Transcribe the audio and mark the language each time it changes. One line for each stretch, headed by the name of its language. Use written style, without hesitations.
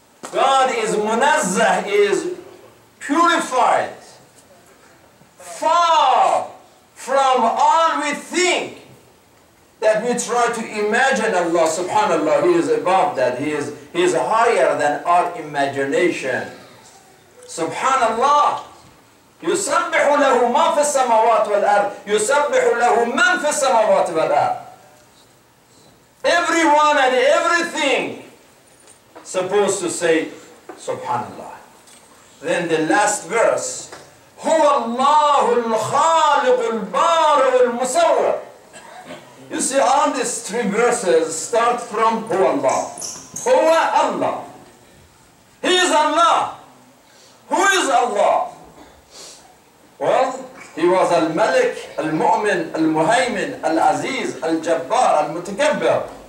English: God is munazzah, is purified. Far from all we think that we try to imagine Allah. Subhanallah, He is above that. He is higher than our imagination. Subhanallah.
Arabic: يسبح له ما في السماوات والأرض يسبح له من في السماوات والأرض.
English: Everyone and everything supposed to say Subhanallah. Then the last verse,
Arabic: هو الله الخالق البارئ المصور.
English: You see, all these three verses start from هو الله.
Arabic: هو الله.
English: He is Allah. Who is Allah? Well, He was Al-Malik, Al-Mu'min, Al-Muhaymin, Al-Aziz, Al-Jabbar, Al-Mutakabbir.